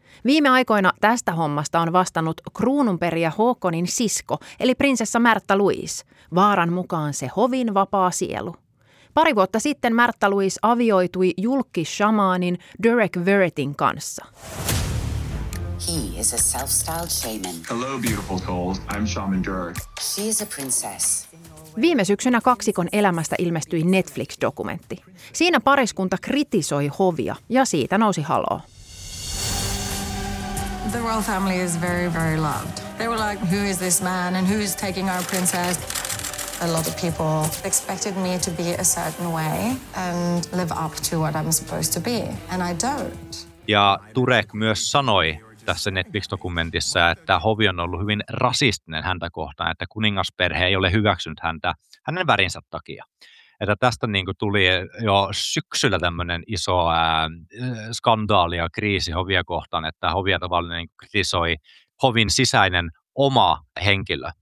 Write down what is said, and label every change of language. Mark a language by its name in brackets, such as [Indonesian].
[Finnish] Viime aikoina tästä hommasta on vastannut kruununperijä Håkonin sisko, eli prinsessa Märtha Louise, vaaran mukaan se hovin vapaa sielu. Pari vuotta sitten Märtha Louise avioitui julkkishamaanin Derek Verrettin kanssa. [English] He is a self-styled shaman. Hello beautiful soul, I'm Shaman Derek. She is a princess. [Finnish] Viime syksynä kaksikon elämästä ilmestyi Netflix-dokumentti. Siinä pariskunta kritisoi hovia ja siitä nousi haloo. [English] The royal family is very, very loved. They were like, who is this man and who is taking our princess? A lot of people expected me to be a certain way and live up to what I'm supposed to be, and I don't. [Finnish] Ja Turek myös sanoi tässä Netflix-dokumentissa, että hovi on ollut hyvin rasistinen häntä kohtaan, että kuningasperhe ei ole hyväksynyt häntä hänen värinsä takia. Että tästä niin kuin tuli jo syksyllä tämmöinen iso skandaali ja kriisi hovia kohtaan, että hovia tavallaan niin kritisoi hovin sisäinen oma henkilö.